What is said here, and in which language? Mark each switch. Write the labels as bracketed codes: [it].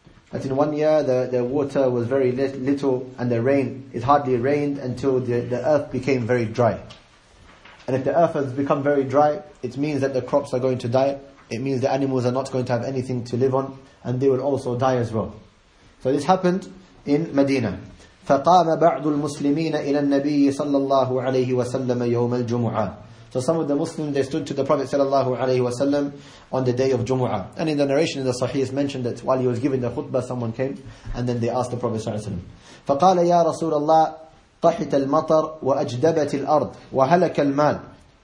[en] That in 1 year the water was very little and the rain, it hardly rained until the earth became very dry. And if the earth has become very dry, it means that the crops are going to die. It means the animals are not going to have anything to live on and they will also die as well. So this happened in Medina. [ar] فقام بعض المسلمين إلى النبي صلى الله عليه وسلم يوم الجمعة. [en] So some of the Muslims, they stood to the Prophet sallallahu alaihi wasallam on the day of Jumu'ah. And in the narration in the Sahih, it's mentioned that while he was giving the khutbah, someone came and then they asked the Prophet sallallahu alaihi wasallam. [ar] فَقَالَ يَا رَسُولَ اللَّهِ قَحِتَ الْمَطَرُ وَأَجْدَبَتِ الْأَرْضِ وَهَلَكَ الْمَالِ.